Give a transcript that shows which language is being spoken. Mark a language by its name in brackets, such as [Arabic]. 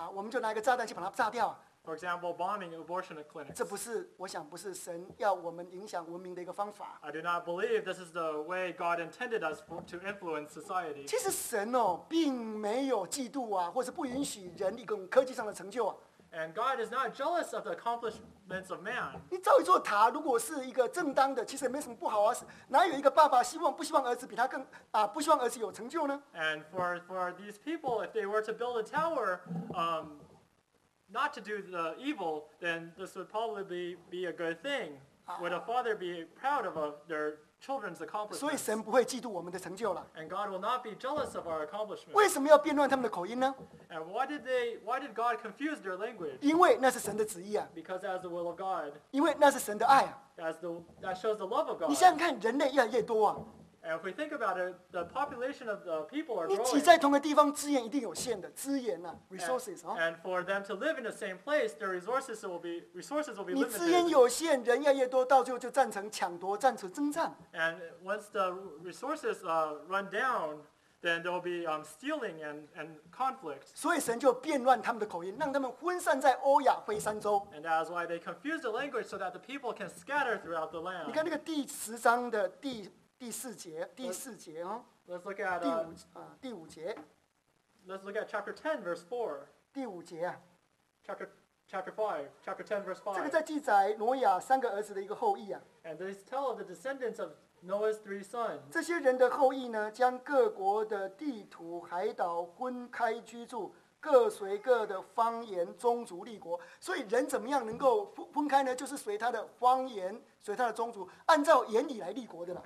[Chinese] 我们就拿一个炸弹去把它炸掉。 [English] For example, bombing abortion clinics. [Chinese] 这不是，我想不是神要我们影响文明的一个方法。 [English] I do not believe this is the way God intended us to influence society. [Chinese] 其实神哦，并没有嫉妒啊，或是不允许人一种科技上的成就啊。 [English] And God is not jealous of the accomplishments of man. [Chinese] 你造一座塔，如果是一个正当的，其实也没什么不好啊。哪有一个爸爸希望不希望儿子比他更啊，不希望儿子有成就呢 [English] ？And for these people, if they were to build a tower, not to do the evil, then this would probably be a good thing. Would a father be proud of their children's accomplishments? [Chinese] 所以神不会嫉妒我们的成就了。 [English] And God will not be jealous of our accomplishments. [Chinese] 为什么要变乱他们的口音呢？ [English] And why did God confuse their language? [Chinese] 因为那是神的旨意啊。 [English] Because that is the will of God. [Chinese] 因为那是神的爱啊。 [English] That shows the love of God. [Chinese] 你想想看，人类越来越多啊。 [English] And if we think about it, the population of the people are growing. [Chinese] 你挤在同个地方，资源一定有限的，资源啊 ，resources 啊。 [English] And for them to live in the same place, their resources will be limited. [Chinese] 你资源有限，人越来越多，到最后就战成抢夺，战成征战。 [English] And once the resources run down. Then there will be stealing and conflict. [Chinese] 所以神就变乱他们的口音，让他们分散在欧亚非三洲。 [English] And that is why they confuse the language so that the people can scatter throughout the land. [Chinese] 你看那个第十章的第四节啊。 [English] Let's look at [Chinese] 第五节。 [English] Let's look at chapter 10, verse 4. [Chinese] 第五节啊。 [English] Chapter 5, verse 5. [Chinese] 这个在记载挪亚三个儿子的一个后裔啊。 [English] And they tell of the descendants of Noah's three sons. [Chinese] 这些人的后裔呢，将各国的地图、海岛分开居住，各随各的方言、宗族立国。所以人怎么样能够分开呢？就是随他的方言、随他的宗族，按照言语来立国的了。